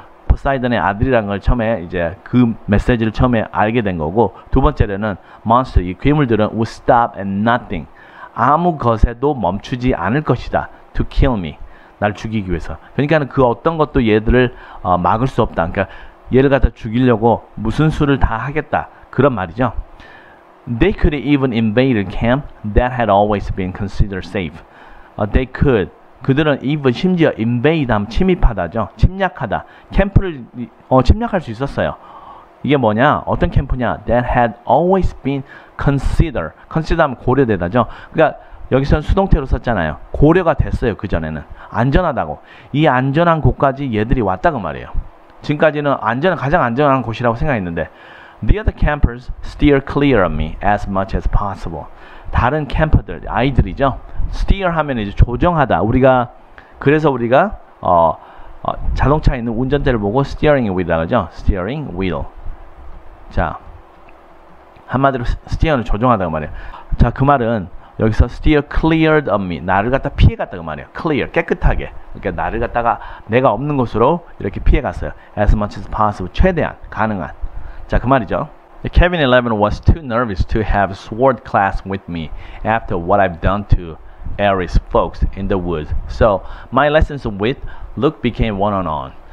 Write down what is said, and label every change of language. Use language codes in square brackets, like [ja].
[ko] 포사이던의 아들이란 걸 처음에 이제 그 메시지를 처음에 알게 된 거고, 두 번째로는 monster, 이 괴물들은 [en] would stop at nothing, [ko] 아무 것에도 멈추지 않을 것이다. [en] To kill me, [ko] 날 죽이기 위해서. 그러니까 그 어떤 것도 얘들을 막을 수 없다. 그러니까 얘를 갖다 죽이려고 무슨 수를 다 하겠다. 그런 말이죠. [en] They could even invade a camp that had always been considered safe. They could. [ko] 그들은 even 심지어 invade 하면 침입하다죠. 침략하다. 캠프를 침략할 수 있었어요. 이게 뭐냐? 어떤 캠프냐? [en] That had always been considered. [ko] Consider 하면 고려되다죠. 그러니까 여기서는 수동태로 썼잖아요. 고려가 됐어요. 그전에는. 안전하다고. 이 안전한 곳까지 얘들이 왔다고 말이에요. 지금까지는 안전한, 가장 안전한 곳이라고 생각했는데 [en] The other campers steer clear of me as much as possible. [ko] 다른 캠퍼들, 아이들이죠. steer 하면 이제 조정하다. 우리가, 그래서 우리가 자동차에 있는 운전대를 보고 steering wheel이라고 하죠. steering wheel. 자, 한마디로 steer을 조정하다고 말이에요. 자, 그 말은 여기서 [en] steer cleared of me, [ko] 나를 갖다 피해 갔다고 말해요. clear, 깨끗하게. 그러니까 나를 갖다가 내가 없는 곳으로 이렇게 피해 갔어요. [en] as much as possible, [ko] 최대한, 가능한. 자, 그 말이죠. [en] Kevin 11 was too nervous to have sword class with me after what I've done to Aries folks in the woods. So, my lessons with Luke became one-on-one.